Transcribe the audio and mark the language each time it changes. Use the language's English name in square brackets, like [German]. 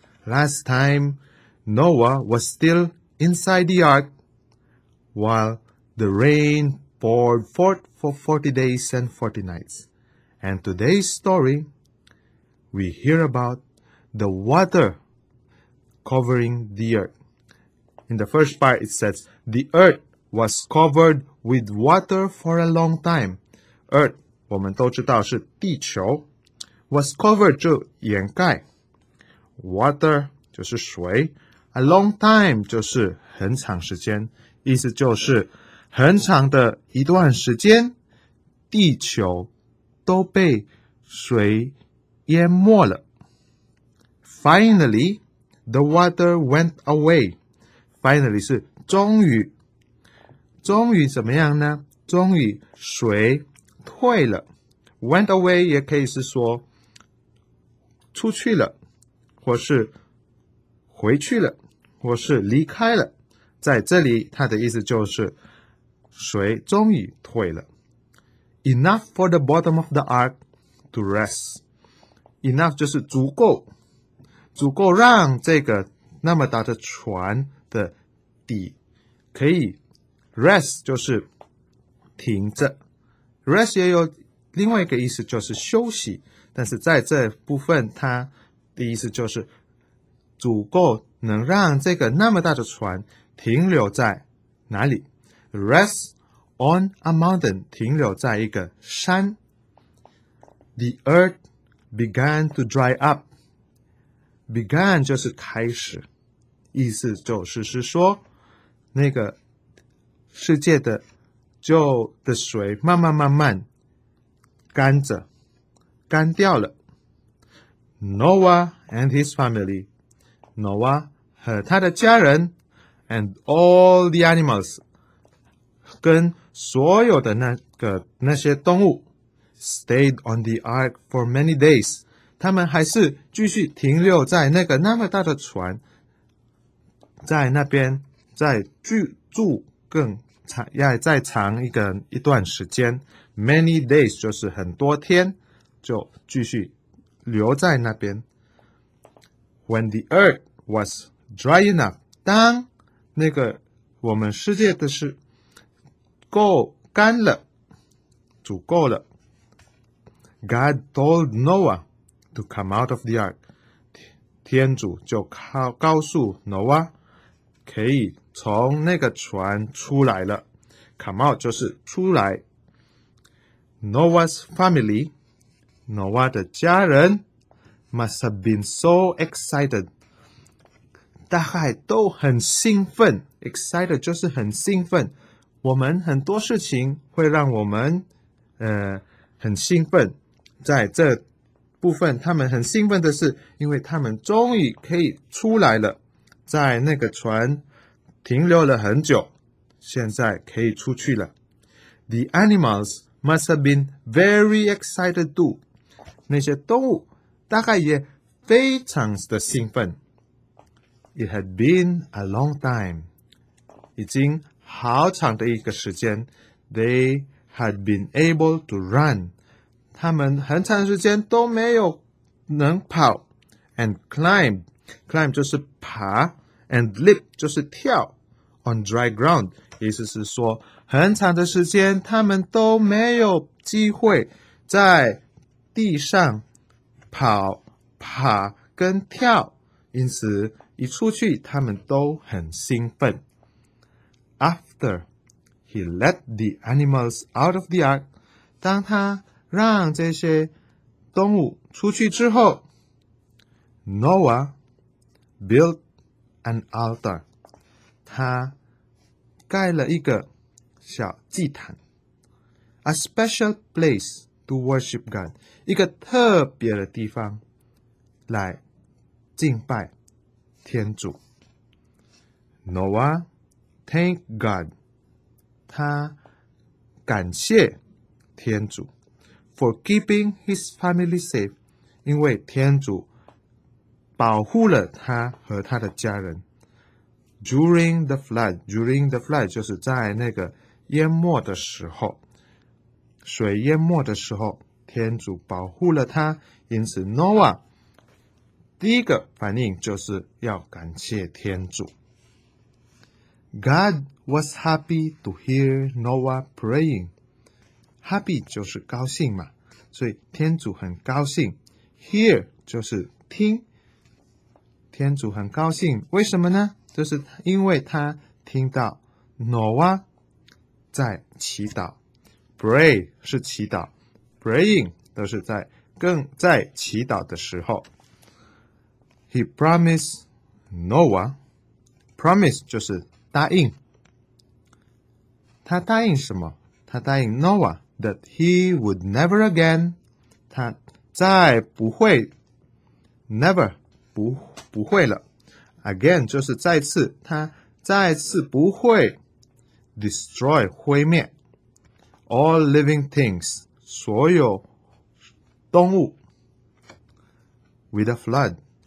[English] Last time, Noah was still inside the ark while the rain poured forth for 40 days and 40 nights. And today's story, we hear about the water covering the earth. In the first part, it says, the earth was covered with water for a long time. [Chinese] Earth, 我们都知道是地球, [English] was covered, [Chinese] 就掩盖。 Water, 就是水。 [English] A long time, [Chinese] 就是很长时间。意思就是很长的一段时间，地球都被水淹没了。 [English] Finally, the water went away. [Chinese] Finally 是终于。终于怎么样呢？终于水退了。 [English] Went away [Chinese] 也可以是说出去了，或是回去了，或是离开了。在这里它的意思就是水终于退了。 [English] Enough for the bottom of the ark to rest. [Chinese] Enough 就是足够，足够让这个那么大的船的底可以 rest， 就是停着。 Rest 也有另外一个意思，就是休息。但是在这部分，它的意思就是足够能让这个那么大的船停留在哪里 ？Rest。 [English] On a mountain, [Chinese] 停留在一个山。 [English] The earth began to dry up. [Chinese] Began 就是开始，意思就是是说，那个世界的就的水慢慢慢慢干着，干掉了。 [English] Noah and his family, Noah [Chinese] 和他的家人 [English] and all the animals [Chinese] 跟所有的那些动物 [English] stayed on the ark for many days. [Chinese] 他们还是继续停留在那个那么大的船，在那边再居住更长，要再长一段时间。 [English] Many days [Chinese] 就是很多天，就继续留在那边。 [English] When the earth was dry enough, [Chinese] 当那个我们世界的是够干了，足够了。 [English] God told Noah to come out of the ark. [Chinese] 天主就告诉 Noah 可以从那个船出来了。 [English] Come out [Chinese] 就是出来。 [English] Noah's family, Noah [Chinese] 的家人 [English] must have been so excited. [Chinese] 大概都很兴奋 ，excited 就是很兴奋。我们很多事情会让我们，很兴奋。在这部分，他们很兴奋的是，因为他们终于可以出来了，在那个船停留了很久，现在可以出去了。 [English] The animals must have been very excited too。 [Chinese] 那些动物大概也非常的兴奋。 [English] It had been a long time. [Chinese] 已经好长的一个时间。 [English] They had been able to run. [Chinese] 他们很长时间都没有能跑。 [English] And climb. Climb [Chinese] 就是爬。 [English] And leap [Chinese] 就是跳。 [English] On dry ground. [Chinese] 意思是说很长的时间他们都没有机会在地上跑、爬跟跳。因此一出去他们都很兴奋。 [English] After he let the animals out of the ark, [Chinese] 当他让这些动物出去之后， [English] Noah built an altar. [Chinese] 他盖了一个小祭坛。 A special place to worship God. 一个特别的地方来敬拜。天主 [English] Noah thank God [Chinese] 他感谢天主 [English] for keeping his family safe [Chinese] 因为天主保护了他和他的家人 [English] during the flood [Chinese] 就是在那个淹没的时候水淹没的时候天主保护了他因此 Noah第一个反应就是要感谢天主。 [English] God was happy to hear Noah praying. [Chinese] Happy 就是高兴嘛，所以天主很高兴。 Hear 就是听。天主很高兴，为什么呢？就是因为他听到 Noah 在祈祷。 Pray 是祈祷 ，praying 都是在更在祈祷的时候。 [English] He promised Noah. Promise [Chinese] 就是答应。他答应什么？他答应 [English] Noah that he would never again. [Chinese] 他再不会 never 不会了。 Again 就是再次，他再次不会 destroy 毁灭 [English] all living things [Chinese] 所有动物 [English] with a flood.